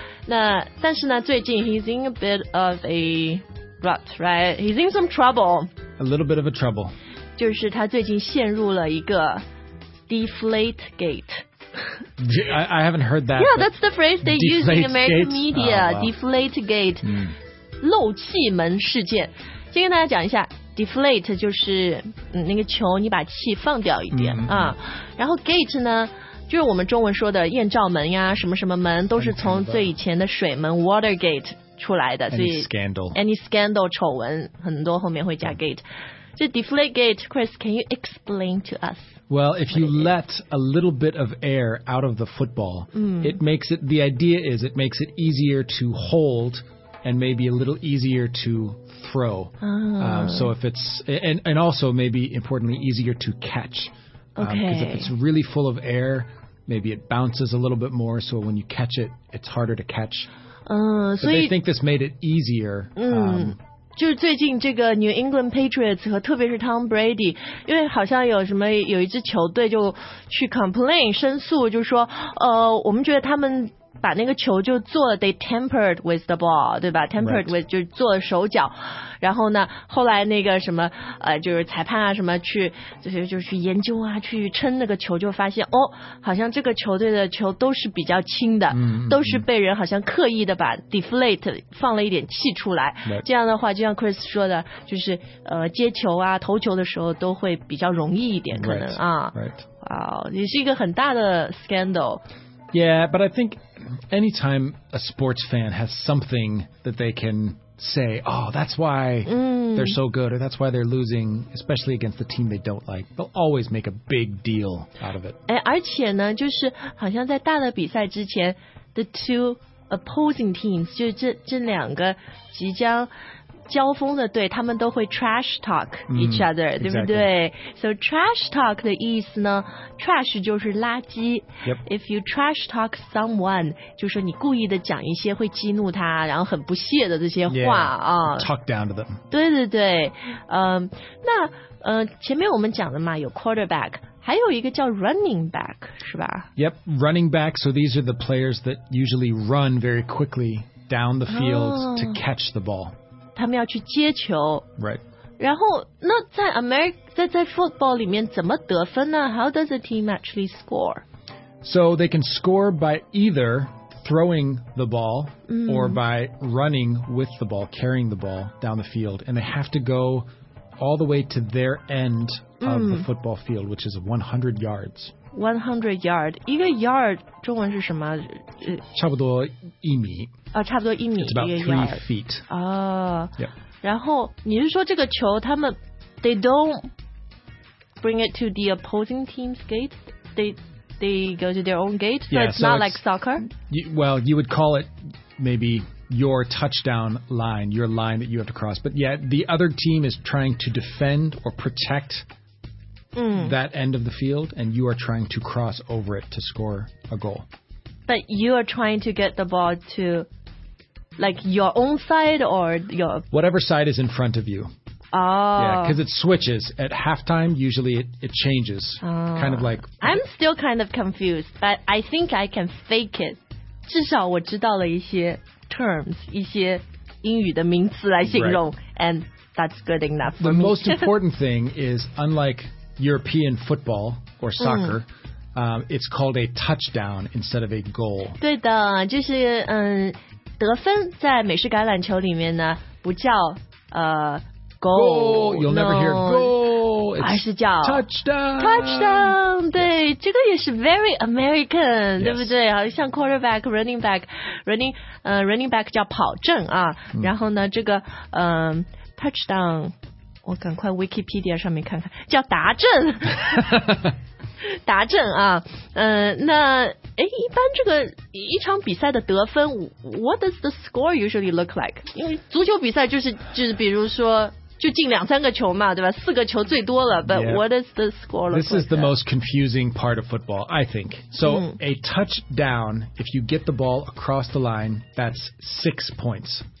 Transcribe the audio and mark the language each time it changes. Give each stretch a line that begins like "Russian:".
Chinese: 那但是呢，最近
English: he's in a bit of a rut, right? He's in some trouble. A little bit of a trouble.
Chinese: 就是他最近陷入了一个 deflate gate.
English: I haven't heard that. Yeah, that's the phrase they use in American media. Oh, wow. Deflate gate.、 Mm.
Chinese: 漏气门事件。先跟大家讲一下 deflate 就是、那个球你把气放掉一点、mm-hmm. 啊。然后 gate 呢就是我们中文说的艳照门呀什么什么门都是从最以前的水门 watergate 出来的。所以
English: any scandal
Chinese: 丑闻很多后面会加 gate.
English: The deflategate, Chris, can you explain to us? Well, if you let a little bit of air out of the football,、 mm. the idea is it makes it easier to hold and maybe a little easier to throw.、 Oh. So if it's, and also maybe importantly easier to catch. Okay. Because if it's really full of air, maybe it bounces a little bit more. So when you catch it, it's harder to catch.、 So they think this made it easier.、
Chinese: 就是最近这个 New England Patriots 和特别是 Tom Brady 因为好像有什么有一支球队就去 complain 申诉就是说我们觉得他们把那个球就做了
English: they tampered with the ball
Chinese: 对吧 tampered、
English: right.
Chinese: with 就是做了手脚然后呢后来那个什么就是裁判啊什么去这些就去研究啊去撑那个球就发现哦好像这个球队的球都是比较轻的、 mm-hmm. 都是被人好像刻意的把 deflate 放了一点气出来、
English: right.
Chinese: 这样的话就像 Chris 说的就是接球啊投球的时候都会比较容易一点可能
English: right. 啊 right.
Chinese: 哇也是一个很大的 scandal
English: Yeah, but I think anytime a sports fan has something that they can say, oh, that's why、 mm. they're so good, or that's why they're losing, especially against the team they don't like, they'll always make a big deal out of it.
Chinese: 哎，而且呢，就是好像在大的比赛之前 ，
English: the two opposing teams
Chinese: 就这两个即将交锋的队，他们都会
English: trash talk each other,、
Chinese: 对不对、
English: exactly.
Chinese: ？So trash talk 的意思呢 ，trash 就是垃圾。
English: Yep. If you trash talk someone,
Chinese: 就是说你故意的讲一些会激怒他，然后很不屑的这些话啊、
English: yeah. ，talk down to them。
Chinese: 对对对，那前面我们讲的嘛，有 quarterback。还有一个叫 running back 是吧
English: ？Yep, running back. So these are the players that usually run very quickly down the field、oh, to catch the ball.
Chinese: 他们要去接球。
English: Right.
Chinese: 然后那在 America 在 football 里面怎么得分呢 ？
English: How does a team actually score? So they can score by either throwing the ball、 mm. or by running with the ball, carrying the ball down the field, and they have to go. All the way to their end of、 mm. the football field, which is 100 yards. 100 yard.
Chinese: 一个 yard, 中文是什么？差不多一米。啊，差不多一米。
English: It's about three feet. 啊。 Yep.
Chinese: 然后你是说这个球他们
English: they don't bring it to the opposing team's gate? They go to their own gate? Yeah, so it's not like soccer? You would call it maybe... your touchdown line, your line that you have to cross. But yet the other team is trying to defend or protect、 mm. that end of the field, and you are trying to cross over it to score a goal. But you are trying to get the ball to, like, your own side or your... Whatever side is in front of you. Oh. Yeah, because it switches. At halftime, usually it changes.、 Oh. Kind of like... I'm still kind of confused, but I think I can fake it.
Chinese: 至少我知道了一些... terms, 一些英语的名词来形容、
English: right. and that's good enough The most important thing is unlike European football or soccer、嗯 it's called a touchdown instead of a goal
Chinese: 对的就是、得分在美式橄榄球里面呢不叫、goal
English: You'll never hear goal 还
Chinese: 是叫
English: Touchdown
Chinese: 对、
English: yes.
Chinese: 这个也是
English: very American、 yes.
Chinese: 对不对好像 quarterback running back running,、running back 叫跑阵啊、嗯、然后呢这个、Touchdown 我赶快 Wikipedia 上面看看叫达阵达阵啊、那诶一般这个一场比赛的得分
English: What does the score usually look like?
Chinese: 因为足球比赛就是比如说就进两三个球嘛对吧四个球最多了 But、
English: yeah. what is the score look This like is the most confusing part of football, I think. So、嗯、 a touchdown, if you get the ball across the line, that's 6 points.